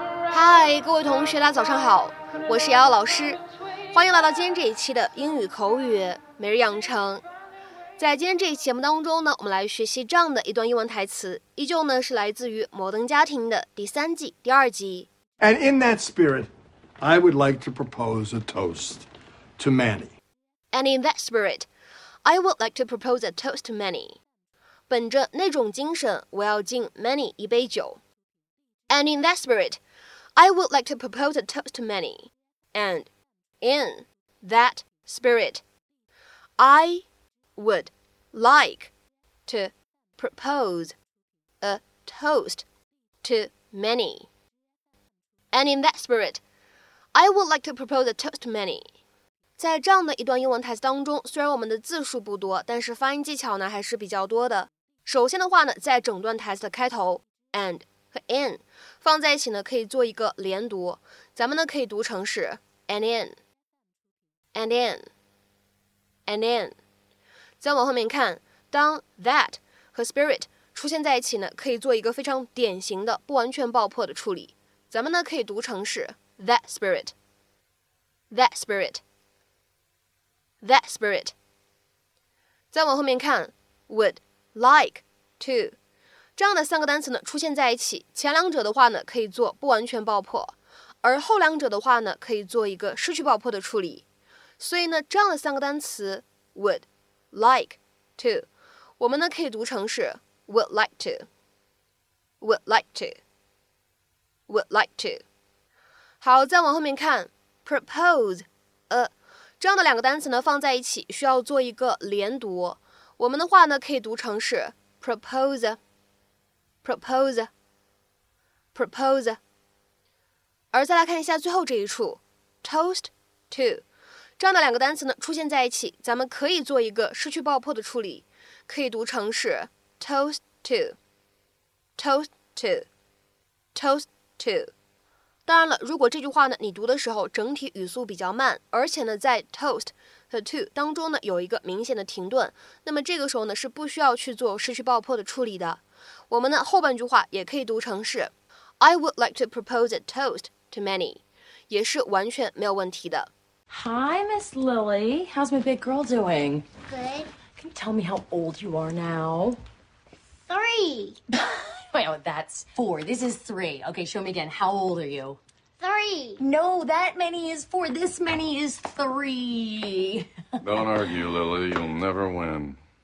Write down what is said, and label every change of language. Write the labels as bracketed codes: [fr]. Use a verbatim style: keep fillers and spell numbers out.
[zh] 嗨，各位同学，大家早上好，我是瑶瑶老师，欢迎来到今天这一期的英语口语每日养成。在今天这一期节目当中呢，我们来学习这样的一段英文台词，依旧呢是来自于《摩登家庭》的第三季第二集。 [en] And in that spirit, I would like to propose a toast to Manny. And in that spirit, I would like to propose a toast to Manny. [zh] 本着那种精神，我要敬 Manny 一杯酒。 [en] And in that spirit, I would like to propose a toast to Manny. And in that spirit, I would like to propose a toast to Manny. And in that spirit, I would like to propose a toast to Manny. [zh] 在这样的一段英文台词当中，虽然我们的字数不多，但是发音技巧呢还是比较多的。首先的话呢，在整段台词的开头 ，and 和 in 放在一起呢，可以做一个连读。咱们呢可以读成是 and in, and in, and in。再往后面看，当 that 和 spirit 出现在一起呢，可以做一个非常典型的不完全爆破的处理。咱们呢可以读成是 that spirit, that spirit, that spirit。再往后面看 would like to 这样的三个单词呢出现在一起，前两者的话呢可以做不完全爆破，而后两者的话呢可以做一个失去爆破的处理。所以呢，这样的三个单词 would like to 我们呢可以读成是 would like to, would like to。 [en] Would like to. [zh] 好，再往后面看 propose a 这样的两个单词呢放在一起需要做一个连读。我们的话呢可以读成是 propose, propose, propose。而再来看一下最后这一处 toast to 这样的两个单词呢出现在一起，咱们可以做一个失去爆破的处理，可以读成是 toast to, toast to, toast to。 [en] To. [zh] 当然了，如果这句话呢你读的时候整体语速比较慢，而且呢在 toast 和 to 当中呢有一个明显的停顿，那么这个时候呢是不需要去做失去爆破的处理的。我们呢后半句话也可以读成是 [en] I would like to propose a toast to Manny， [zh] 也是完全没有问题的。 [en] Hi, Miss Lily. How's my big girl doing? Good. Can you tell me how old you are now? Three. Wait, oh, that's four. This is three. Okay, show me again. How old are you? Three. No, that many is four. This many is three. Don't argue, Lily. You'll never win.